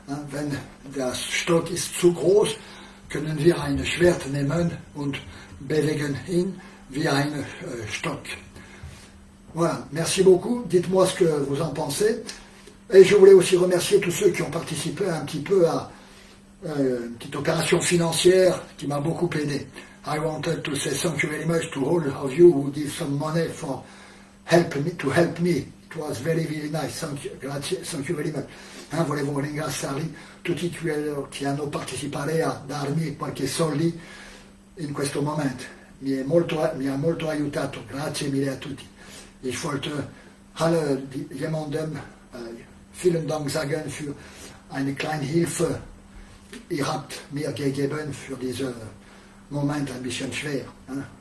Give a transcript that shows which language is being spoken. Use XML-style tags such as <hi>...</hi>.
<de>Wenn der Stock ist zu groß, können wir ein Schwert nehmen und bewegen ihn wie ein Stock.</de> <fr>Voilà, merci beaucoup. Dites-moi ce que vous en pensez. Et je voulais aussi remercier tous ceux qui ont participé un petit peu à une petite opération financière qui m'a beaucoup aidé.</fr> <en>I wanted to say thank you very much to all of you who give some money for help me. It was very, very nice. Thank you very much.</en> <it>Hein, volevo ringraziarli tutti quelli che hanno partecipato a darmi qualche soldi in questo momento. Mi ha molto aiutato. Grazie mille a tutti.</it> <de>Ich wollte alle jemandem vielen Dank sagen für eine kleine Hilfe. Ihr habt mir gegeben für diese Moment ein bisschen schwer, hein?</de>